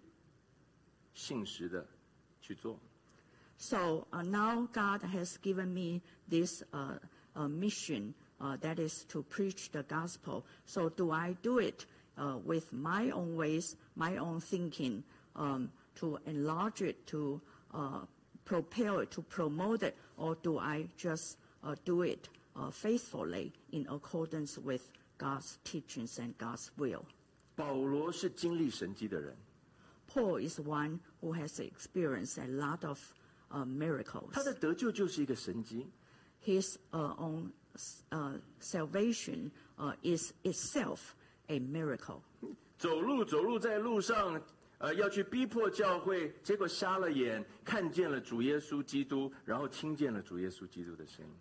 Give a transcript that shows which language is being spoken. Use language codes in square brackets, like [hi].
[zh] 神给了我一个使命，我就照着我的方式去扩大它，然后呢去彰显它，还是我要用神所给我的这个工作，我要认真的、持守的去做。 [en] So now God has given me this mission that is to preach the gospel. So do I do it with my own ways, my own thinking, to enlarge it, to propel it, to promote it, or do I just do it faithfully in accordance with God's teachings and God's will? [zh] 保罗是经历神迹的人。 [en] Paul is one who has experienced a lot of miracles. [zh] 他的得救就是一个神迹。 [en] His own salvation is itself a miracle. [zh] 走路在路上, 要去逼迫教会, 结果瞎了眼, 看见了主耶稣基督, 然后听见了主耶稣基督的声音。